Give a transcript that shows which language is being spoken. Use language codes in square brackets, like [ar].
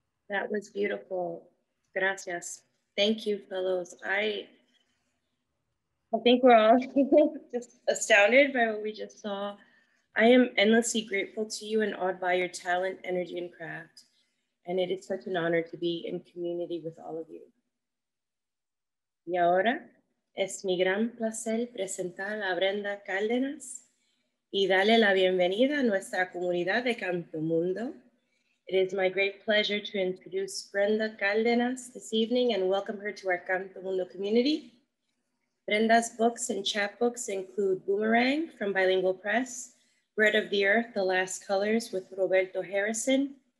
[en] That was beautiful. Gracias. Thank you, fellows. I think we're all just astounded by what we just saw. I am endlessly grateful to you and awed by your talent, energy, and craft. And it is such an honor to be in community with all of you. [es] Y ahora, es mi gran placer presentar a Brenda Cárdenas y darle la bienvenida a nuestra comunidad de CantoMundo. [en] It is my great pleasure to introduce Brenda Cárdenas this evening and welcome her to our CantoMundo community. Brenda's books and chapbooks include Boomerang from Bilingual Press, Bread of the Earth, The Last Colors with Roberto Harrison,